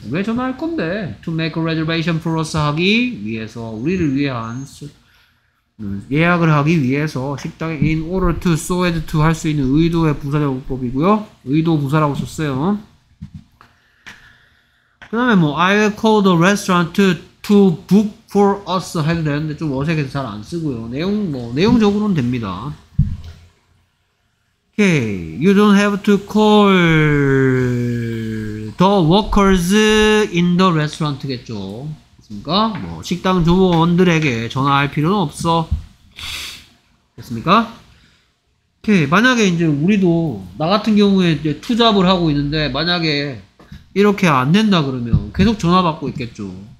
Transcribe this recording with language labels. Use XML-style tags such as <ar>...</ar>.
<ko>왜 전화할 건데?</ko> <en>To make a reservation for us</en> <ko>하기 위해서 우리를 위한 예약을 하기 위해서 식당에</ko> <en>in order to, so as to</en> <ko>할 수 있는 의도의 부사적법이고요. 의도 부사라고 썼어요. 그 다음에 뭐</ko> <en>I will call the restaurant to book for us</en> <ko>해도 되는데 좀 어색해서 잘 안 쓰고요. 내용 뭐 내용적으로는 됩니다.</ko> <en>Okay, you don't have to call the workers in the restaurant겠죠.</en> <ko>됐습니까? 뭐 식당 조무원들에게 전화할 필요는 없어. 됐습니까? Okay, 만약에 이제 우리도 나 같은 경우에 이제 투잡을 하고 있는데 만약에 이렇게 안 된다 그러면 계속 전화 받고 있겠죠.</ko>